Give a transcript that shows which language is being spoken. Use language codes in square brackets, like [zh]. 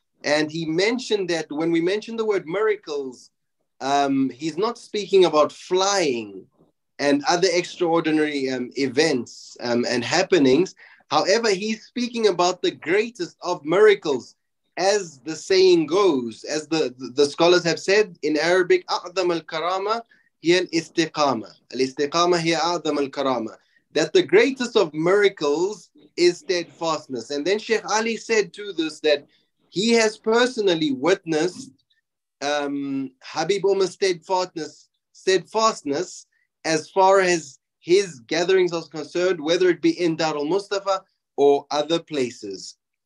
[en] And he mentioned that when we mention the word miracles, he's not speaking about flying and other extraordinary events and happenings. However, he's speaking about the greatest of miracles, as the saying goes, as the scholars have said in Arabic, [ar] أعظم الكرامة هي الاستقامة. الاستقامة هي أعظم الكرامة. [en] That the greatest of miracles is steadfastness. And then Sheikh Ali said to this that he has personally witnessed Ḥabīb ʿUmar's steadfastness as far as his gatherings are concerned, whether it be in Darul Mustafa or other places.